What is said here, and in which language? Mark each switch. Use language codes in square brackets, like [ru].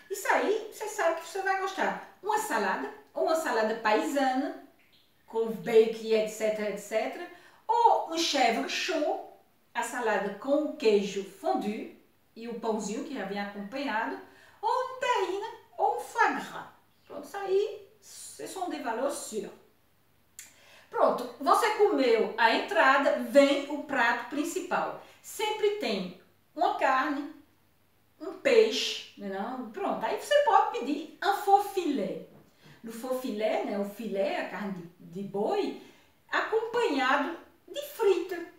[pt] Isso aí você sabe que você vai gostar. Uma salada paisana, com bacon, etc, etc. Ou um chèvre chaud, a salada com queijo fondue e o pãozinho que já vem acompanhado. Ou terrina. Ou foie gras. Pronto, isso aí, [fr] ce sont des valeurs sûres. [pt] Pronto, você comeu a entrada, vem o prato principal. Sempre tem uma carne, um peixe, não? Pronto, aí você pode pedir un faux filet. No faux filet, né, o filet, a carne de boi, acompanhado de frita.